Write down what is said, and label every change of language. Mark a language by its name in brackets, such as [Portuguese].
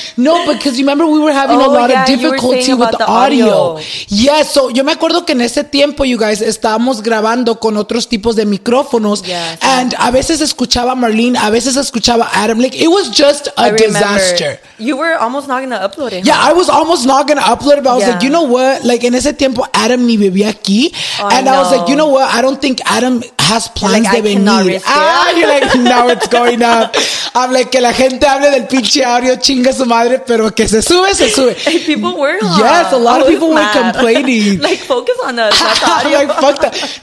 [English] No, because remember we were having a lot of difficulty with the audio. Yes, yeah, so [Spanish] yo me acuerdo que en ese tiempo, [English] you guys, [Spanish] estábamos grabando con otros tipos de micrófonos. [English] Yes. And [Spanish] a veces escuchaba Marlene, a veces escuchaba Adam. [English] Like, it was just a disaster. You were almost not going to upload it. Huh? Yeah, I was almost not going to upload it, but I was like, you know what? [Spanish] Like, en ese tiempo, Adam ni vivía aquí. [English] I was like, you know what? I don't think Adam has plans like, [Spanish] de venir. Ah, [English] you're like, now it's going up. I'm like, [Spanish] que la gente hable del pinche audio, chinga su madre, pero que se sube, se sube. [English] Hey, people were like, yes, a lot of people were complaining. Like, focus on us, not the audio. Like, fuck that.